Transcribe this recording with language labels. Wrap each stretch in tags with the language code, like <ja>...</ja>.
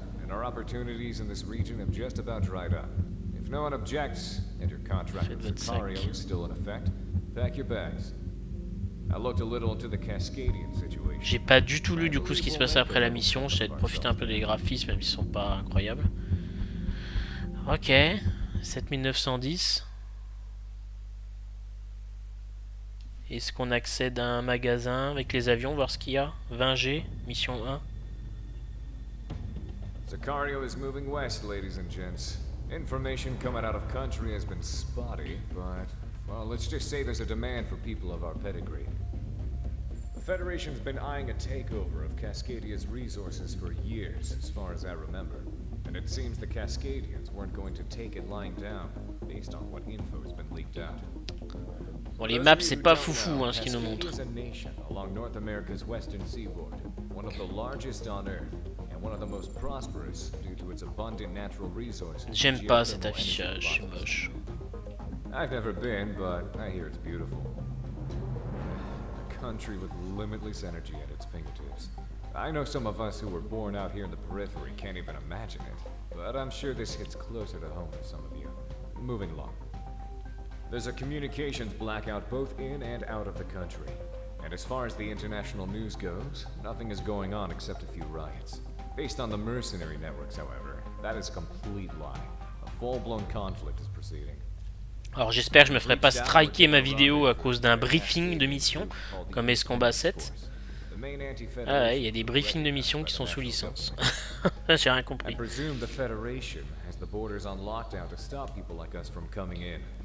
<en>Our opportunities in this region have just about dried up. If no one objects, and your contract with Sicario is still in effect, pack your bags. I looked a little into the Cascadian situation.</en> <fr>J'ai pas du tout lu du coup ce qui se passait après la mission. J'ai profité un peu des graphismes, même s'ils sont pas incroyables. Ok, 7910. Est-ce qu'on accède à un magasin avec les avions, voir ce qu'il y a? 20G, mission 1.</fr> <en>Sicario is moving west, ladies and gents. Information coming out of country has been spotty, but well, let's just say there's a demand for people of our pedigree. The Federation's been eyeing a takeover of Cascadia's resources for years, as far as I remember. And it seems the Cascadians weren't going to take it lying down, based on what info has been leaked out.</en> <fr>Bon, les maps, c'est pas foufou, hein, ce qu'ils nous montrent.</fr> <en>Cascadia is a nation along North America's western seaboard, one of the largest on Earth. One of the most prosperous due to its abundant natural resources.</en> <fr>J'aime pas cet affichage, c'est moche.</fr> <en>I've never been, but I hear it's beautiful. A country with limitless energy at its fingertips. I know some of us who were born out here in the periphery can't even imagine it, but I'm sure this hits closer to home for some of you. Moving along. There's a communications blackout both in and out of the country. And as far as the international news goes, nothing is going on except a few riots. Based on the mercenary networks, however, that is a complete lie. A full-blown conflict is proceeding.</en> <fr>Alors j'espère que je me ferai pas striker ma vidéo à cause d'un briefing de mission, comme Escombat 7. Ah ouais, il y a des briefings de mission qui sont sous licence. J'ai rien compris.</fr> <en>I presume the Federation has the borders on lockdown to stop people like us from coming in.</en>